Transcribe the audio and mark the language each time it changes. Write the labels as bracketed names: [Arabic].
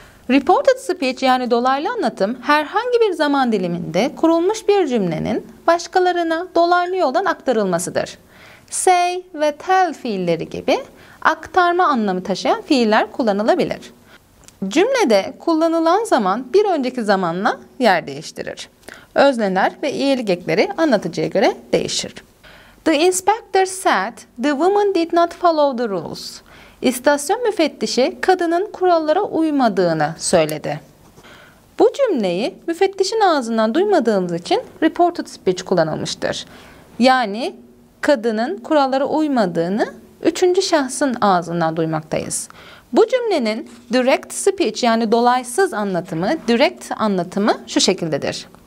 [Turkish] Reported speech, yani dolaylı anlatım, herhangi bir zaman diliminde kurulmuş bir cümlenin başkalarına dolaylı yoldan aktarılmasıdır. Say ve tell fiilleri gibi aktarma anlamı taşıyan fiiller kullanılabilir. Cümlede kullanılan zaman bir önceki zamanla yer değiştirir. Özneler ve iyelik ekleri anlatıcıya göre değişir. [English] The inspector said the woman did not follow the rules. [Turkish] İstasyon müfettişi kadının kurallara uymadığını söyledi. Bu cümleyi müfettişin ağzından duymadığımız için reported speech kullanılmıştır. Yani kadının kurallara uymadığını üçüncü şahsın ağzından duymaktayız. Bu cümlenin direct speech yani dolaysız anlatımı, direct anlatımı şu şekildedir.